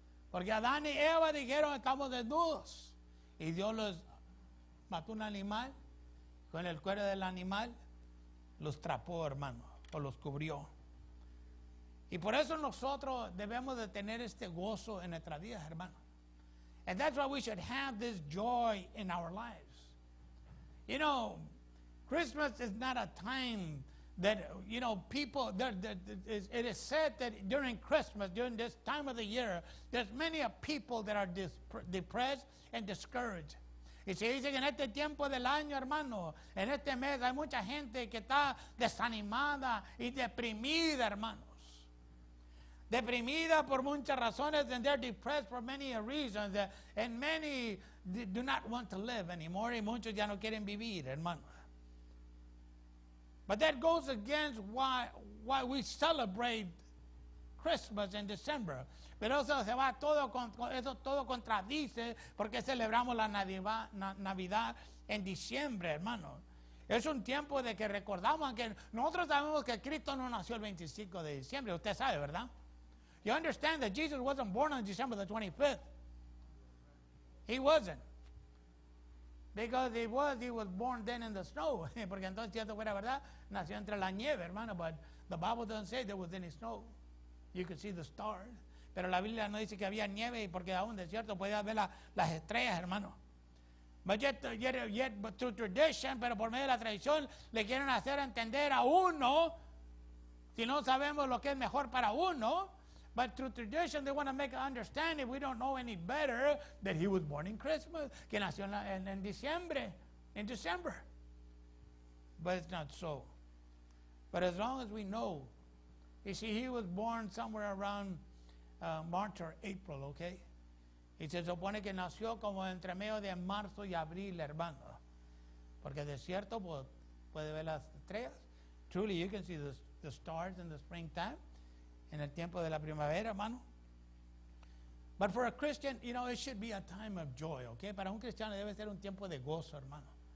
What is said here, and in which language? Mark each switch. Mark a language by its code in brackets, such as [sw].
[es] Porque Adán y Eva dijeron, estamos desnudos. Y Dios los mató un animal, con el cuero del animal, los trapó, hermano, o los cubrió. Y por eso nosotros debemos de tener este gozo en nuestra vida, hermano. [en] And that's why we should have this joy in our lives. You know, Christmas is not a time that, you know, people, it is said that during Christmas, during this time of the year, there's many a people that are depressed and discouraged. [es] Y se dice que en este tiempo del año, hermano, en este mes, hay mucha gente que está desanimada y deprimida, hermanos. Deprimida por muchas razones, [en] and they're depressed for many reasons, and many do not want to live anymore, [es] y muchos ya no quieren vivir, hermano. [en] But that goes against why we celebrate Christmas in December. [es] Pero eso se va todo eso todo contradice porque celebramos la Navidad en diciembre, hermano. Es un tiempo de que recordamos que nosotros sabemos que Cristo no nació el 25 de diciembre. Usted sabe, ¿verdad? [en] You understand that Jesus wasn't born on December the 25th. He wasn't. Because he was born then in the snow. [es] Porque entonces, si esto fuera verdad, nació entre la nieve, hermano. [en] But the Bible doesn't say there was any snow. You could see the stars. [es] Pero la Biblia no dice que había nieve porque aún de cierto podía ver las estrellas, hermano. [en] But yet, but through tradition, [es] pero por medio de la tradición, le quieren hacer entender a uno, si no sabemos lo que es mejor para uno. [en] But through tradition, they want to make understand if we don't know any better that he was born in Christmas, [es] que nació en diciembre, [en] in December. But it's not so. But as long as we know, you see, he was born somewhere around March or April, okay? [es] Y se supone que nació como entre medio de marzo y abril, hermano. Porque de cierto, puede ver las estrellas. [en] Truly, you can see the stars in the springtime. [es] En el tiempo de la primavera, hermano. [en] But for a Christian, you know, it should be a time of joy, okay? [es] Para un cristiano debe ser un tiempo de gozo, hermano.